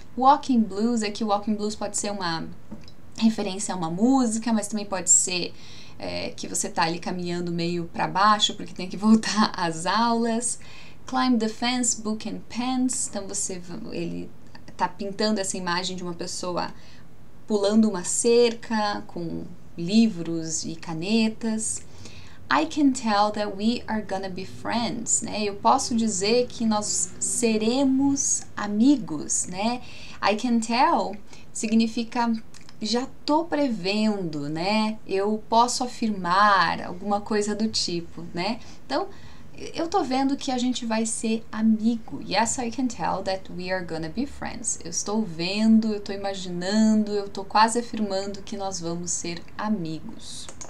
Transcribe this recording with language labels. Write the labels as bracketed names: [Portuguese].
[Portuguese] Walking blues, é que o walking blues pode ser uma referência a uma música, mas também pode ser que você tá ali caminhando meio para baixo, porque tem que voltar às aulas. [English] Climb the fence, book and pens. [Portuguese] Então, ele tá pintando essa imagem de uma pessoa pulando uma cerca com livros e canetas. [English] I can tell that we are gonna be friends, né? [Portuguese] Eu posso dizer que nós seremos amigos, né? I can tell significa já tô prevendo, né? Eu posso afirmar alguma coisa do tipo, né? Então, eu tô vendo que a gente vai ser amigo. [English] Yes, I can tell that we are gonna be friends. [Portuguese] Eu estou vendo, eu tô imaginando, eu tô quase afirmando que nós vamos ser amigos.